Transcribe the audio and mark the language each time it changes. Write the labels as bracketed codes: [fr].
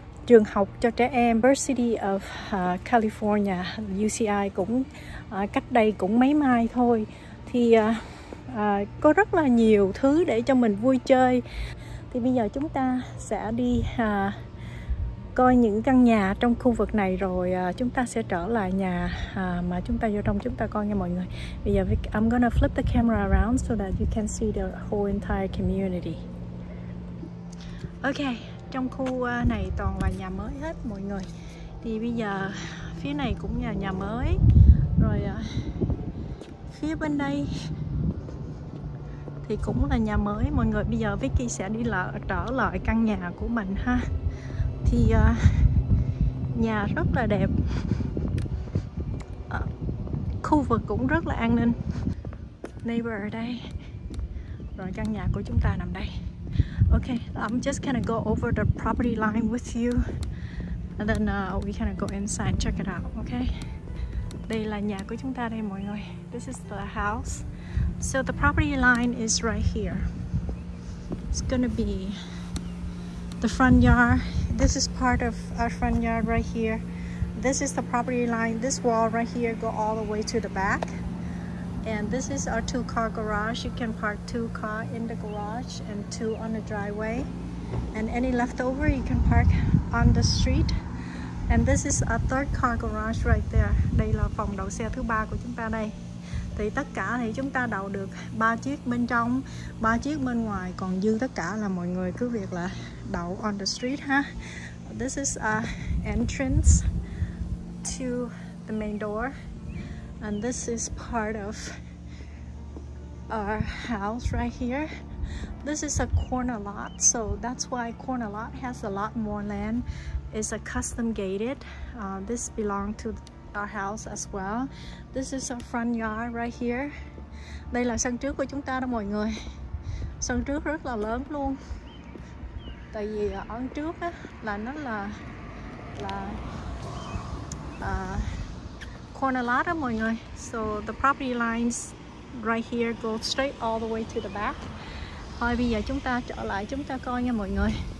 [vi] Trường học cho trẻ em, University of California, UCI cũng cách đây cũng mấy mai thôi. Thì có rất là nhiều thứ để cho mình vui chơi. Thì bây giờ chúng ta sẽ đi coi những căn nhà trong khu vực này rồi chúng ta sẽ trở lại nhà mà chúng ta vô trong chúng ta coi nha mọi người. Bây giờ [en] I'm gonna flip the camera around so that you can see the whole entire community. [vi] Ok, trong khu này toàn là nhà mới hết mọi người. Thì bây giờ phía này cũng là nhà mới. Rồi phía bên đây thì cũng là nhà mới mọi người. Bây giờ Vicky sẽ đi trở lại căn nhà của mình ha. Thì nhà rất là đẹp, khu vực cũng rất là an ninh. Neighbor ở đây, rồi căn nhà của chúng ta nằm đây. [en] Ok, I'm just gonna go over the property line with you and then we gonna go inside and check it out. [vi] Ok, đây là nhà của chúng ta đây mọi người. [en] This is the house. So the property line is right here. It's gonna be the front yard. This is part of our front yard right here. This is the property line. This wall right here go all the way to the back. And this is our two-car garage. You can park two car in the garage and two on the driveway. And any leftover, you can park on the street. And this is our third car garage right there. [vi] Đây là phòng đậu xe thứ ba của chúng ta đây. Thì tất cả thì chúng ta đậu được 3 chiếc bên trong, 3 chiếc bên ngoài, còn dư tất cả là mọi người cứ việc là đậu [en] on the street [vi] ha. [en] This is a entrance to the main door, and this is part of our house right here. This is a corner lot, so that's why corner lot has a lot more land. It's a custom gated. This belonged to our house as well. This is our front yard right here. [vi] Đây là sân trước của chúng ta đó mọi người. Sân trước rất là lớn luôn. Tại vì ở trước á là nó là corner lot đó mọi người. [en] So the property lines right here go straight all the way to the back. [vi] Thôi bây giờ chúng ta trở lại chúng ta coi nha mọi người.